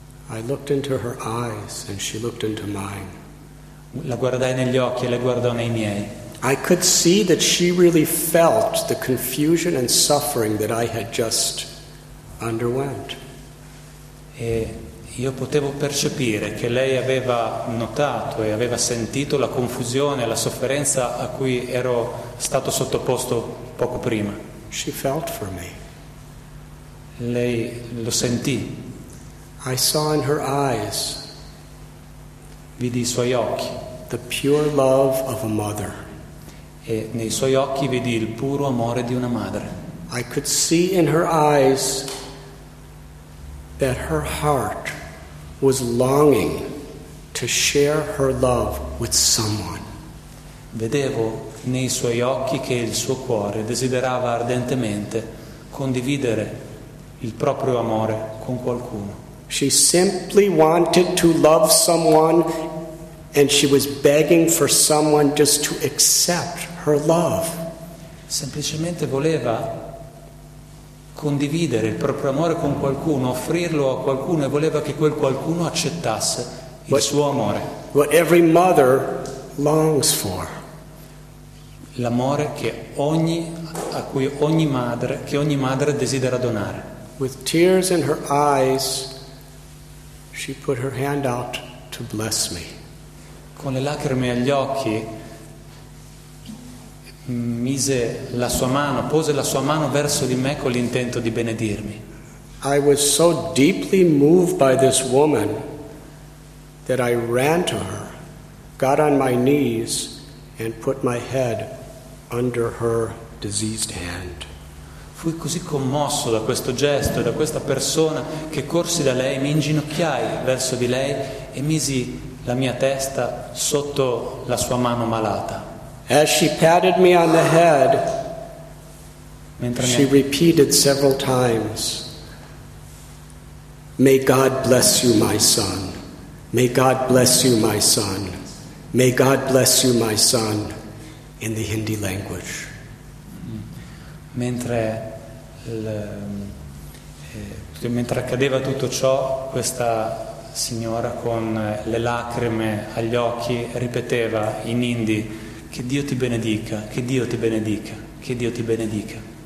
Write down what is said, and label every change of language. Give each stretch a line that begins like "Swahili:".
English: I looked into her eyes and she looked into mine.
Italian: La guardai negli occhi e lei guardò nei miei.
English: I could see that she really felt the confusion and suffering that I had just underwent.
Italian: E io potevo percepire che lei aveva notato e aveva sentito la confusione e la sofferenza a cui ero stato sottoposto poco prima.
English: She felt for me.
Italian: Lei lo sentì.
English: I saw in her eyes,
Italian: vidi i suoi occhi,
English: the pure love of a mother.
Italian: E nei suoi occhi vidi il puro amore di una madre.
English: I could see in her eyes that her heart was longing to share her love with someone.
Italian: Vedevo nei suoi occhi che il suo cuore desiderava ardentemente condividere il proprio amore con qualcuno.
English: She simply wanted to love someone and she was begging for someone just to accept her love.
Italian: Semplicemente voleva condividere il proprio amore con qualcuno, offrirlo a qualcuno, e voleva che quel qualcuno accettasse il suo amore.
English: What every mother longs for.
Italian: L'amore che ogni madre desidera donare.
English: With tears in her eyes, she put her hand out to bless me.
Italian: Con le lacrime agli occhi pose la sua mano verso di me con l'intento di benedirmi.
English: I was so deeply moved by this woman that I ran to her, got on my knees and put my head under her diseased hand.
Italian: Fui così commosso da questo gesto e da questa persona che corsi da lei, mi inginocchiai verso di lei e misi la mia testa sotto la sua mano malata.
English: As she patted me on the head, She repeated several times, "May God bless you, my son. May God bless you, my son. May God bless you, my son," in the Hindi language.
Italian: Mentre accadeva tutto ciò, questa signora con le lacrime agli occhi ripeteva in Hindi, "Che Dio ti benedica, che Dio ti benedica, che Dio ti benedica."